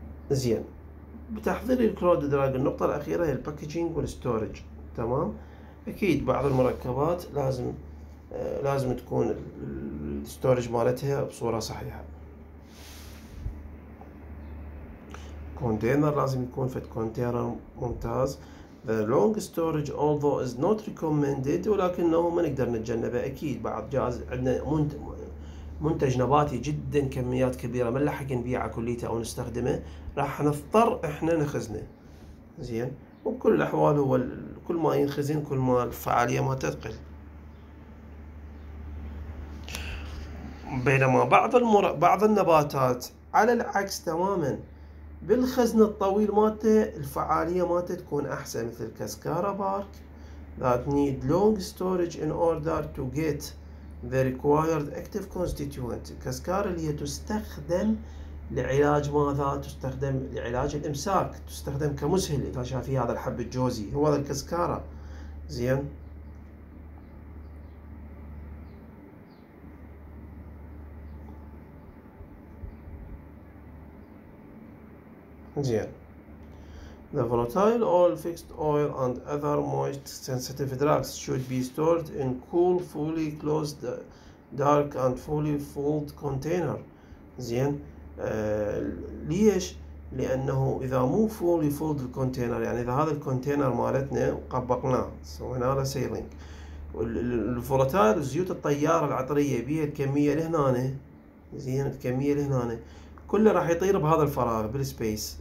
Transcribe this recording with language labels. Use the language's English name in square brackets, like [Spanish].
[Arabic] زين، بتحضير الكلود دراج النقطة الأخيرة هي الباكجينج والستورج. تمام، أكيد بعض المركبات لازم تكون الستورج مالتها بصورة صحيحة. كونتينر لازم يكون فت كونتينر ممتاز. [English] The long storage although is not recommended، [Arabic] ولكنه ما نقدر نتجنبه اكيد. بعض جهاز عندنا منتج نباتي جدا كميات كبيره ما نلحق نبيعه كليته او نستخدمه، راح نضطر احنا نخزنه. زين، وبكل الاحوال هو كل ما ينخزن كل ما الفعاليه ما تقل. بينما بعض النباتات على العكس تماما، بالخزن الطويل مالته الفعالية مالته تكون أحسن، مثل كاسكارا بارك [English] that need long storage in order to get the required active constituent. [Arabic] كاسكارا اللي هي تستخدم لعلاج ماذا؟ تستخدم لعلاج الإمساك، تستخدم كمسهل إذا شاف فيه هذا الحب الجوزي، هو هذا الكاسكارا. زين، زين، [English] the volatile oil fixed oil and other moist sensitive drugs should be stored in cool fully closed dark and fully filled container. [Arabic] زين، ليش؟ لأنه إذا مو [English] fully filled container، [Arabic] يعني إذا هذا الكونتينر مالتنا قبقناه سوينا له سيلينج، ال volatile زيوت الطيارة العطرية بيها الكمية لهنا، زين الكمية لهنا كله راح يطير بهذا الفراغ بالسبيس.